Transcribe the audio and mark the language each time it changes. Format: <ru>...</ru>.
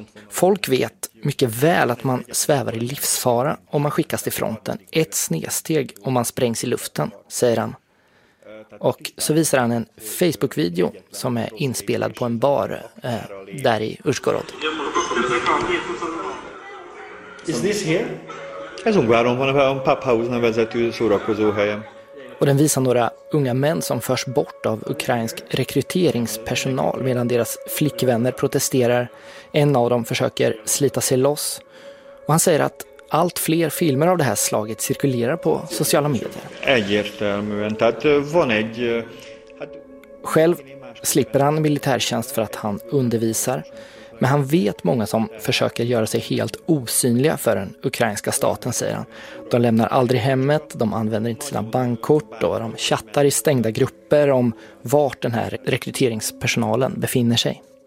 <sv>Folk vet mycket väl att man svävar i livsfara om man skickas till fronten. Ett snedsteg om man sprängs i luften, säger han. Och så visar han en Facebook-video som är inspelad på en bar där i Ushgorod.</sv> <en>Is this here?</en> <hu>Ez Ungváron van, a Paphaus nevezetű szórakozóhelyem.</hu> <sv>Och den visar några unga män som förs bort av ukrainsk rekryteringspersonal medan deras flickvänner protesterar. En av dem försöker slita sig loss. Och han säger att allt fler filmer av det här slaget cirkulerar på sociala medier.</sv> <hu>Egyértelműen, tehát van egy...</hu> <sv>Själv slipper han militärtjänst för att han undervisar. Men han vet många som försöker göra sig helt osynliga för den ukrainska staten, säger han. De lämnar aldrig hemmet, de använder inte sina bankkort och de chattar i stängda grupper om vart den här rekryteringspersonalen befinner sig.</sv>